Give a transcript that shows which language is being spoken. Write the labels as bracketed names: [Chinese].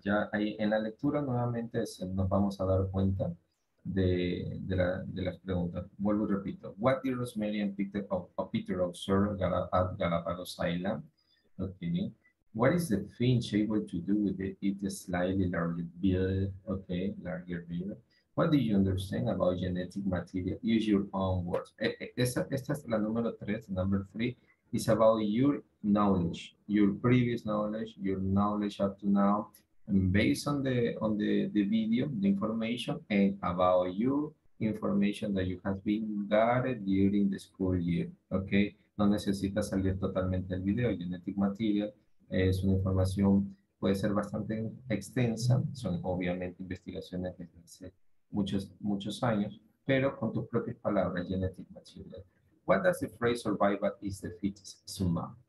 [Spanish] Ya ahí en la lectura nuevamente nos vamos a dar cuenta de las preguntas. Vuelvo y repito. [English] What did Rosemary and Peter observe at Galapagos Island? Okay. What is the finch able to do with it? It's a slightly larger bill. Okay, larger bill. What do you understand about genetic material? Use your own words. [Spanish] Esta es la número tres, [English] number three. It's about your knowledge, your previous knowledge, your knowledge up to now, and based on the video, the information, and about your information that you have been gathered during the school year. [Spanish] Okay? No necesita salir totalmente el video. Genetic material es una información, puede ser bastante extensa. Son obviamente investigaciones que se hacen muchos años, pero con tus propias palabras, genetic material. [English] What does the phrase survival is the fittest sum up?